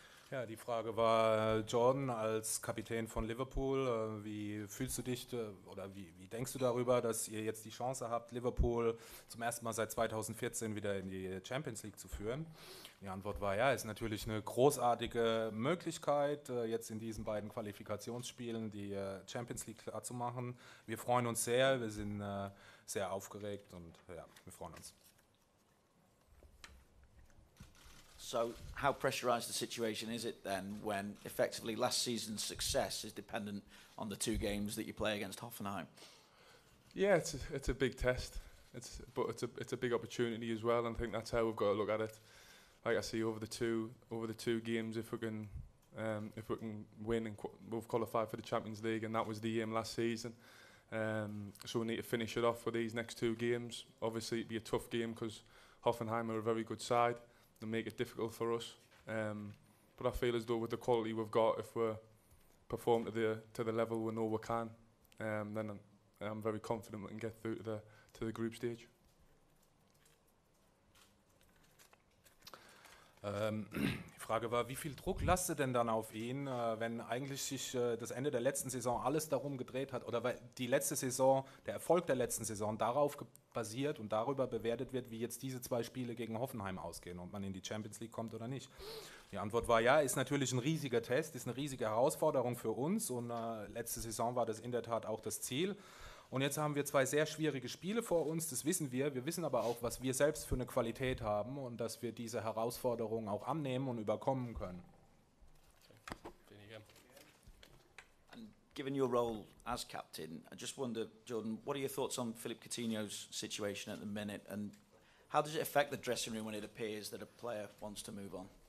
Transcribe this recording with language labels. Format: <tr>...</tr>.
<de>Ja, die Frage war, Jordan, als Kapitän von Liverpool, wie fühlst du dich oder wie denkst du darüber, dass ihr jetzt die Chance habt, Liverpool zum ersten Mal seit 2014 wieder in die Champions League zu führen? Die Antwort war, ja, ist natürlich eine großartige Möglichkeit, jetzt in diesen beiden Qualifikationsspielen die Champions League klar zu machen. Wir freuen uns sehr, wir sind sehr aufgeregt und ja, wir freuen uns.</de> <en>So, how pressurized the situation is it then when effectively last season's success is dependent on the two games that you play against Hoffenheim? Yeah, it's a big test. It's a big opportunity as well, and I think that's how we've got to look at it. Like I say, over the two games, if we can win and we've qualified for the Champions League, and that was the aim last season. So we need to finish it off with these next two games. Obviously, it'd be a tough game because Hoffenheim are a very good side. They make it difficult for us. But I feel as though with the quality we've got, if we perform to the level we know we can, then I'm very confident we can get through to the group stage.</en> <de>Die Frage war, wie viel Druck lastet denn dann auf ihn, wenn eigentlich sich das Ende der letzten Saison alles darum gedreht hat oder weil die letzte Saison, der Erfolg der letzten Saison darauf basiert und darüber bewertet wird, wie jetzt diese zwei Spiele gegen Hoffenheim ausgehen, ob man in die Champions League kommt oder nicht. Die Antwort war ja, ist natürlich ein riesiger Test, ist eine riesige Herausforderung für uns und letzte Saison war das in der Tat auch das Ziel. Und jetzt haben wir zwei sehr schwierige Spiele vor uns, das wissen wir. Wir wissen aber auch, was wir selbst für eine Qualität haben und dass wir diese Herausforderungen auch annehmen und überkommen können.</de> <en>And given your role as captain, I just wonder, Jordan, what are your thoughts on Philippe Coutinho's situation at the minute and how does it affect the dressing room when it appears that a player wants to move on?</en>